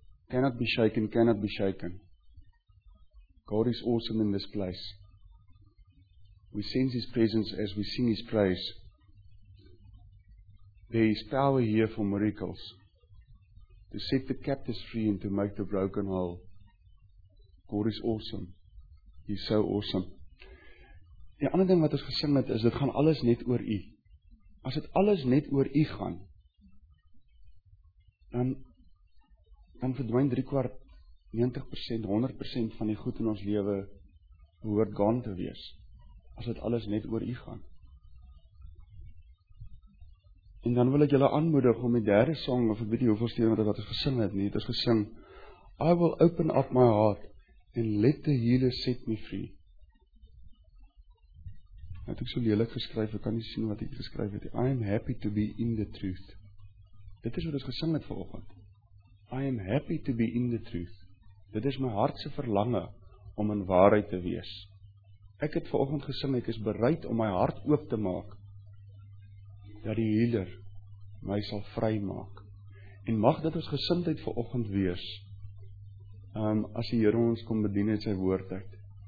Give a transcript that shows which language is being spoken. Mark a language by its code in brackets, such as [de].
[en] Cannot be shaken, cannot be shaken. God is awesome in this place. We sense His presence as we sing His praise. There is power here for miracles. To set the captives free and to make the broken whole. God is awesome. He's so awesome. [af] Die ander ding wat ons gesing het is, dit gaan alles net oor U. As dit alles net oor U gaan, dan verdwijn 3/4, 90%, 100% van die goed in ons lewe behoort gaan te wees. As dit alles net oor U gaan. En dan wil ek julle aanmoedig om die derde song, of ek weet nie hoeveel stemme wat ons gesing het nie, het ons gesing, [en] I will open up my heart and let the healer set me free. [af] Het ek so lelik geskryf, ek kan nie sien wat ek geskryf het. [en] I am happy to be in the truth. [af] Dit is wat ons gesing het vanoggend. [en] I am happy to be in the truth. [af] Dit is my hartse verlange om in waarheid te wees. Ek het vanoggend gesing, ek is bereid om my hart oop te maak, dat die healer my sal vry maak. En mag dit ons gesindheid vanoggend wees, as die Here ons kom bedien in sy woord uit.